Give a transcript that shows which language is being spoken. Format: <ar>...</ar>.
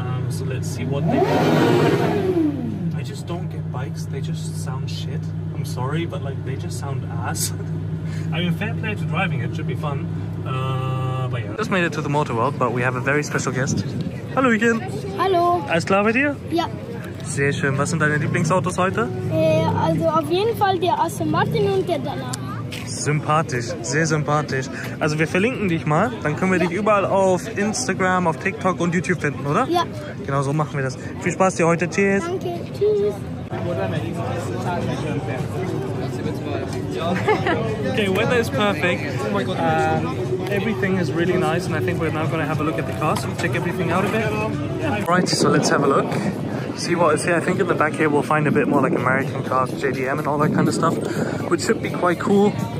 <en>So let's see what they can do. I just don't get bikes. They just sound shit. I'm sorry, but like, they just sound ass. I mean, fair play to driving, it should be fun, but yeah. Just made it to the Motorworld, but we have a very special guest.</en> <de>Hallo again! Hallo! Alles klar bei dir? Ja. Sehr schön, was sind deine Lieblingsautos heute? Also auf jeden Fall der Aston Martin und der Dallara. Sympathisch, sehr sympathisch. Also wir verlinken dich mal, dann können wir dich überall auf Instagram, auf TikTok und YouTube finden, oder? Ja. Genau so machen wir das. Viel Spaß dir heute, tschüss! Danke, tschüss!</de> <en>Okay, weather is perfect. Everything is really nice, and I think we're now going to have a look at the car, so check everything out a bit. Right, so let's have a look. See what is here. I think in the back here we'll find a bit more like American cars, JDM and all that kind of stuff, which should be quite cool.</en>